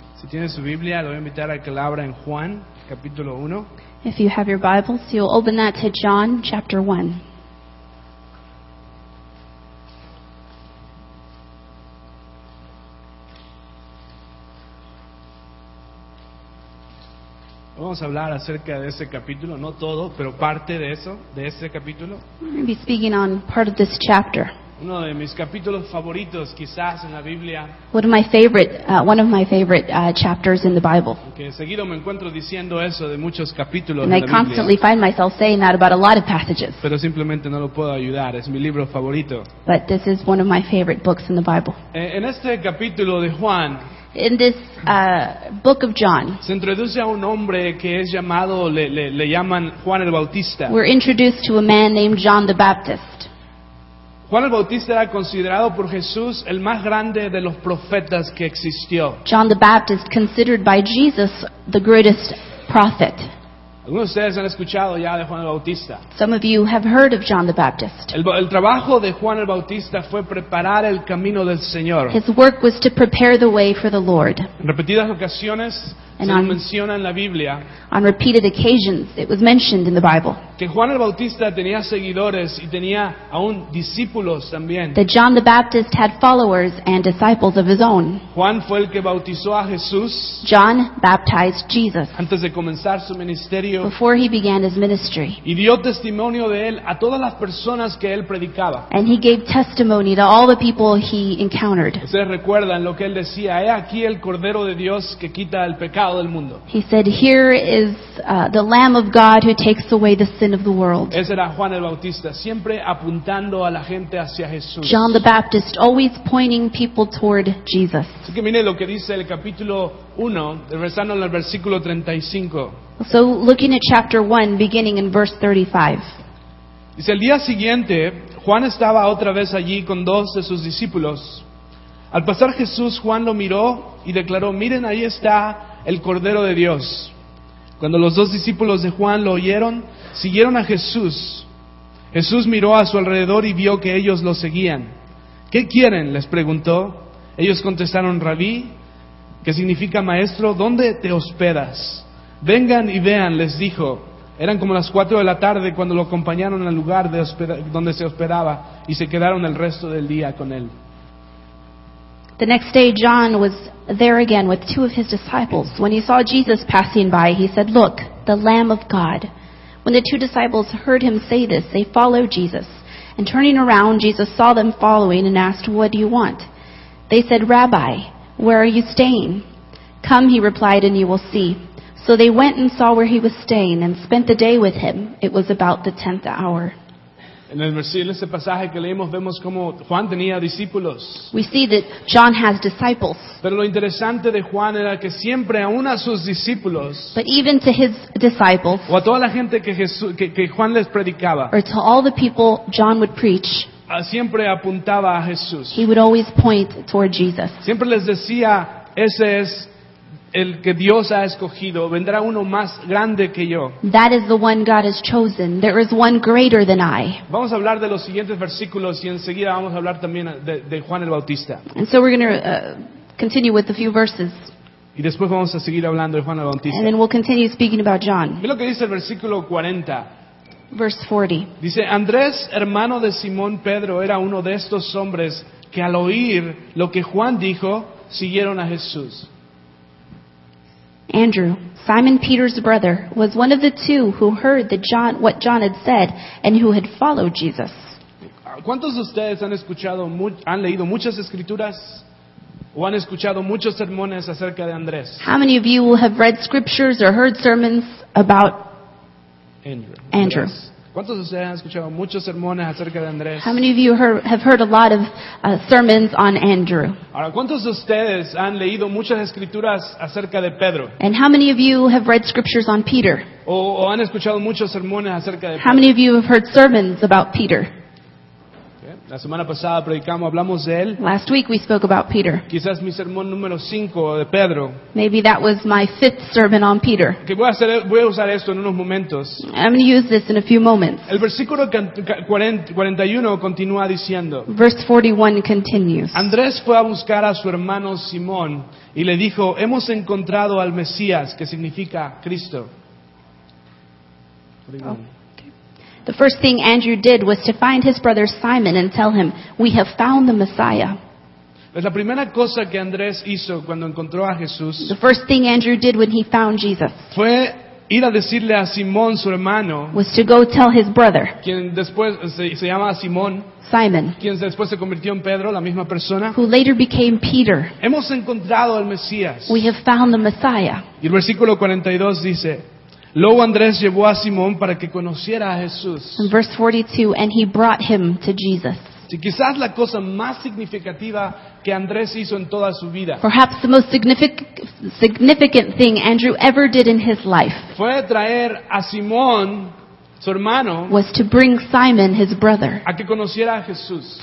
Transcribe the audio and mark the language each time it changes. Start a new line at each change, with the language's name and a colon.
Spanish: tiene su Biblia, lo voy a invitar a que la abra en Juan, capítulo 1.
English: If you have your Bibles, you'll open that to John, chapter 1.
Spanish: Vamos a hablar acerca de ese capítulo, no todo, pero parte de eso, de ese capítulo.
English: I'll be speaking on part of this chapter.
Spanish: Uno de mis capítulos favoritos, quizás en la Biblia.
English: One of my favorite chapters in the Bible.
Spanish: Que seguido me encuentro diciendo eso de muchos capítulos en la Biblia.
English: And I constantly find myself saying that about a lot of passages.
Spanish: Pero simplemente no lo puedo ayudar, es mi libro favorito.
English: But this is one of my favorite books in the Bible.
Spanish: En este capítulo de Juan.
English: In this book of John.
Spanish: Se introduce a un hombre que es llamado, le llaman Juan el Bautista.
English: We're introduced to a man named John the Baptist.
Spanish: Juan el Bautista era considerado por Jesús el más grande de los profetas que existió.
English: John the Baptist, considered by Jesus the greatest prophet.
Spanish: Algunos de ustedes han escuchado ya de Juan el Bautista.
English: Some of you have heard of John the Baptist.
Spanish: El trabajo de Juan el Bautista fue preparar el camino del Señor.
English: His work was to prepare the way for the Lord.
Spanish: En repetidas ocasiones se menciona en la Biblia.
English: On repeated occasions, it was mentioned in the Bible.
Spanish: Que Juan el Bautista tenía seguidores y tenía aún discípulos también.
English: That John the Baptist had followers and disciples of his own.
Spanish: Juan fue el que bautizó a Jesús.
English: John baptized Jesus.
Spanish: Antes de comenzar su ministerio.
English: Before he began his ministry.
Spanish: Y dio testimonio de él a todas las personas que él predicaba.
English: And he gave testimony to all the people he encountered.
Spanish: Ustedes recuerdan lo que él decía: he aquí el Cordero de Dios que quita el pecado del mundo.
English: He said, here is the Lamb of God who takes away the sin of the world.
Spanish: Ese era Juan el Bautista, siempre apuntando a la gente hacia Jesús.
English: John the Baptist, always pointing people toward Jesus.
Spanish: Así que mire lo que dice el capítulo 1, empezando en el versículo 35.
English: So, looking at chapter 1, beginning in verse 35.
Spanish: Dice, el día siguiente, Juan estaba otra vez allí con dos de sus discípulos. Al pasar Jesús, Juan lo miró y declaró, miren, ahí está el Cordero de Dios. Cuando los dos discípulos de Juan lo oyeron, siguieron a Jesús. Jesús miró a su alrededor y vio que ellos lo seguían. ¿Qué quieren? Les preguntó. Ellos contestaron, Rabí, que significa maestro, ¿dónde te hospedas? Vengan y vean, les dijo. Eran como las 4 de la tarde cuando lo acompañaron al lugar donde se hospedaba y se quedaron el resto del día con él.
English: The next day John was there again with two of his disciples. When he saw Jesus passing by, he said, look, the Lamb of God. When the two disciples heard him say this, they followed Jesus. And turning around, Jesus saw them following and asked, what do you want? They said, Rabbi, where are you staying? Come, he replied, and you will see. So they went and saw where he was staying and spent the day with him. It was about the 10th hour.
Spanish: En ese pasaje que leímos vemos cómo Juan tenía discípulos.
English: We see that John has disciples.
Spanish: Pero lo interesante de Juan era que siempre aun a sus discípulos,
English: but even to his disciples,
Spanish: o a toda la gente que Jesús, que Juan les predicaba,
English: or to all the people John would preach,
Spanish: siempre apuntaba a Jesús.
English: He would always point toward Jesus.
Spanish: Siempre les decía, ese es el que Dios ha escogido, vendrá uno más grande que yo.
English: That is the one God has chosen. There is one greater than I.
Spanish: Vamos a hablar de los siguientes versículos y enseguida vamos a hablar también de Juan el Bautista.
English: And so we're going to continue with a few verses.
Spanish: Y después vamos a seguir hablando de Juan el Bautista.
English: And then we'll continue speaking about John.
Spanish: Mira lo que dice el versículo 40.
English: Verse 40.
Spanish: Dice, Andrés, hermano de Simón Pedro, era uno de estos hombres que al oír lo que Juan dijo, siguieron a Jesús.
English: Andrew, Simon Peter's brother, was one of the two who heard what John had said and who had followed Jesus.
Spanish: ¿Cuántos de ustedes han leído muchas escrituras o han escuchado muchos sermones acerca de Andrés?
English: How many of you have read scriptures or heard sermons about Andrew?
Spanish: ¿Cuántos de ustedes han escuchado muchos sermones acerca de Andrés?
English: How many of you have heard a lot of sermons on Andrew?
Spanish: Ahora, ¿cuántos de ustedes han leído muchas escrituras acerca de Pedro?
English: And how many of you have read scriptures on Peter?
Spanish: ¿O han escuchado muchos sermones acerca de
English: Pedro? How many of you have heard sermons about Peter? Okay.
Spanish: La semana pasada predicamos, hablamos de él.
English: Last week we spoke about Peter.
Spanish: Quizás mi sermón número 5 de Pedro.
English: Maybe that was my fifth sermon on Peter.
Spanish: Que voy a usar esto en unos momentos.
English: I'm going to use this in a few moments.
Spanish: El versículo 41 continúa diciendo.
English: Verse 41 continues.
Spanish: Andrés fue a buscar a su hermano Simón y le dijo, hemos encontrado al Mesías, que significa Cristo.
English: The first thing Andrew did was to find his brother Simon and tell him, we have found the Messiah.
Spanish: Pues la primera cosa que Andrés hizo cuando encontró a Jesús,
English: the first thing Andrew did when he found Jesus
Spanish: fue ir a decirle a Simón, su hermano,
English: was to go tell his brother,
Spanish: quien después se llama Simón,
English: Simon,
Spanish: quien después se convirtió en Pedro, la misma persona,
English: who later became Peter.
Spanish: Hemos encontrado al Mesías.
English: We have found the Messiah.
Spanish: Y el versículo 42 dice, luego Andrés llevó a Simón para que conociera a Jesús.
English: In verse 42, and he brought him to Jesus.
Spanish: Sí, quizás la cosa más significativa que Andrés hizo en toda su vida.
English: Perhaps the most significant thing Andrew ever did in his life.
Spanish: Fue traer a Simón, su hermano,
English: was to bring Simon, his brother,
Spanish: a que conociera a Jesús,